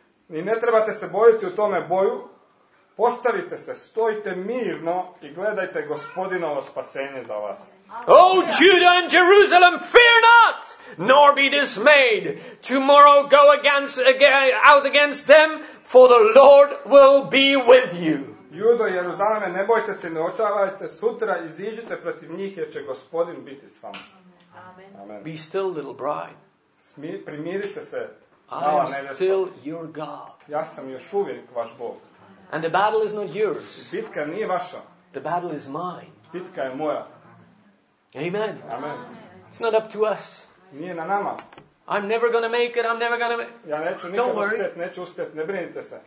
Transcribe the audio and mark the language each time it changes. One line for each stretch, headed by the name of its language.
Croatian: I ne trebate se bojiti u tome boju, postavite se, stojite mirno i gledajte Gospodinovo spasenje za vas.
English: O Judah and Jerusalem, fear not, nor be dismayed. Tomorrow go out against them, for the Lord will be with you.
Croatian: Judo, Jeruzaleme, ne bojte se, ne očavajte, sutra iziđite protiv njih, jer će Gospodin biti s vama. Amen.
English: Be still, little bride.
Croatian: Primirite se.
English: I am still your God.
Croatian: Ja sam još uvijek vaš Bog.
English: And the battle is not yours.
Croatian: Bitka nije vaša.
English: The battle is mine.
Croatian: Bitka je moja. Amen. Amen.
English: It's not up to us.
Croatian: Nije na nama.
English: I'm never going to make it. I'm never going to make it.
Croatian: Ja neću nikad uspjeti, neću uspjeti. Ne brinite se.